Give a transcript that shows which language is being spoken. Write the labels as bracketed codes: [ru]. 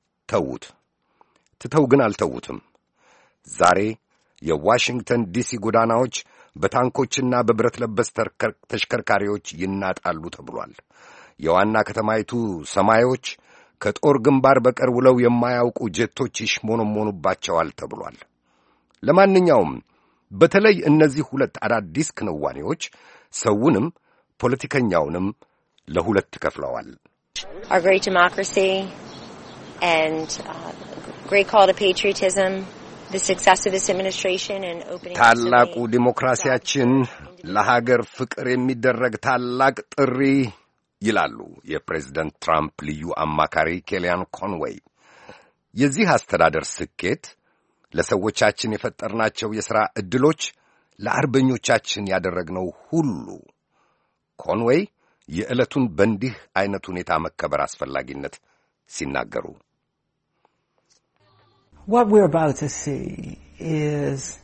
[am] ተዉት። ትተው ግን አልተዉትም። ዛሬ የዋሽንግተን ዲሲ ጎዳናዎች በታንኮችና በብረት ለበስ ተሽከርካሪዎች ይናጣሉ ተብሏል። የዋና ከተማይቱ ሰማዮች ከጦር ግንባር በቀር ውለው የማያውቁ ጀቶች ይሽሞነሞኑባቸዋል ተብሏል። ለማንኛውም በተለይ እነዚህ ሁለት አዳዲስ ክንዋኔዎች ሰውንም ፖለቲከኛውንም ለሁለት ከፍለዋል። [en] Our great democracy and great call to patriotism, the success of this administration and opening [am] ታላቁ ዲሞክራሲያችን ለሀገር ፍቅር የሚደረግ ታላቅ ጥሪ ይላሉ የፕሬዝደንት ትራምፕ ልዩ አማካሪ ኬሊያን ኮንዌይ። የዚህ አስተዳደር ስኬት ለሰዎቻችን የፈጠርናቸው የሥራ ዕድሎች፣ ለአርበኞቻችን ያደረግነው ሁሉ። ኮንዌይ የዕለቱን በእንዲህ ዐይነት ሁኔታ መከበር አስፈላጊነት ሲናገሩ [en] What we're about to see is